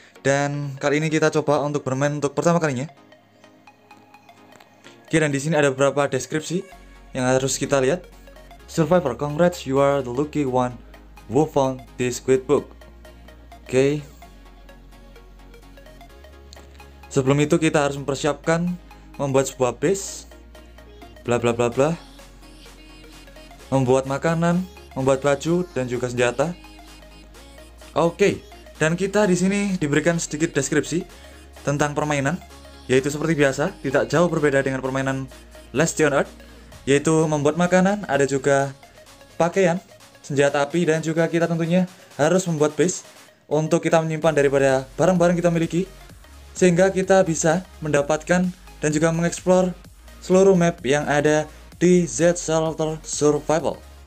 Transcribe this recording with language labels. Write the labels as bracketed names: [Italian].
[Indonesian] Dan kali ini kita coba untuk bermain untuk pertama kalinya. Oke, dan di sini ada beberapa deskripsi yang harus kita lihat. [English] Survivor, congrats, you are the lucky one who found this great book. [Indonesian] Oke. Sebelum itu kita harus mempersiapkan membuat sebuah base. Bla bla bla bla. Membuat makanan, membuat baju dan juga senjata. Oke, dan kita di sini diberikan sedikit deskripsi tentang permainan, yaitu seperti biasa, tidak jauh berbeda dengan permainan Last on Earth, yaitu membuat makanan, ada juga pakaian, senjata api dan juga kita tentunya harus membuat base untuk kita menyimpan daripada barang-barang kita miliki sehingga kita bisa mendapatkan dan juga mengeksplor seluruh map yang ada di Z Shelter Survival.